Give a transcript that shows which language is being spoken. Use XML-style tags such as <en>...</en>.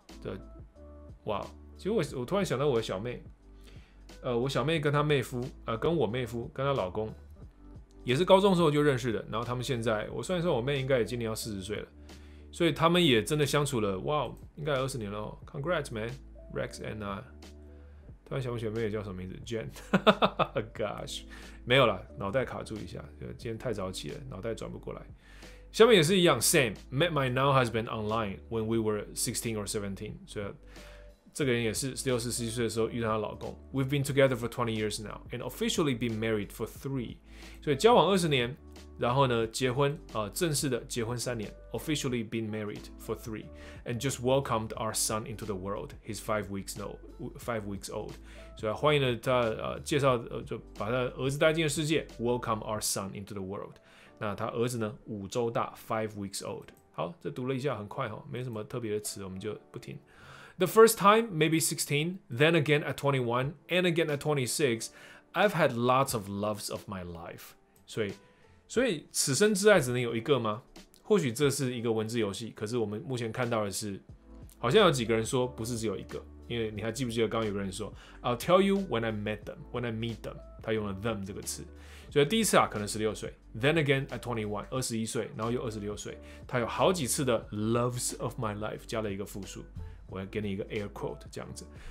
<zh>的哇，其实 我突然想到我的小妹，我小妹跟她妹夫，跟我妹夫跟她老公也是高中的时候就认识的，然后他们现在我算一算，我妹应该也今年要40岁了，所以他们也真的相处了，哇，应该20年了 ，</zh> <en>Congrats man Rex and I，</en> <zh>突然想不起妹妹叫什么名字 ，Jen，Gosh。没有了，脑袋卡住一下，今天太早起了，脑袋转不过来。下面也是一样</zh> <en>，Sam met my now husband online when we were 16 or 17。所以</en> <zh>这个人也是六十七岁的时候遇到她老公。</zh> <en>We've been together for 20 years now and officially been married for 3.</en> <zh>所以交往20年，然后呢结婚，正式的结婚3年。</zh> <en>Officially been married for 3 and just welcomed our son into the world. He's 5 weeks old.</en> <zh>所以欢迎了他，介绍，就把他儿子带进了世界。</zh> <en>Welcome our son into the world.</en> <zh>那他儿子呢5周大</zh> <en>,5 weeks old.</en> <zh>好，这读了一下很快，没什么特别的词，我们就不听。</zh> <en>The first time, maybe 16, then again at 21, and again at 26, I've had lots of loves of my life.</en> <zh>所以此生挚爱只能有一个吗？或许这是一个文字游戏，可是我们目前看到的是，好像有几个人说不是只有一个，因为你还记不记得刚刚有个人说</zh> <en>I'll tell you when I met them, when I meet them,</en> <zh>他用了 them 这个词。所以第一次啊，可能16岁 ，</zh> <en>then again at 21，</en> <zh>21岁，然后又26岁，他有好几次的</zh> <en>loves of my life，</en> <zh>加了一个复数，我要给你一个 air quote 这样子。</zh>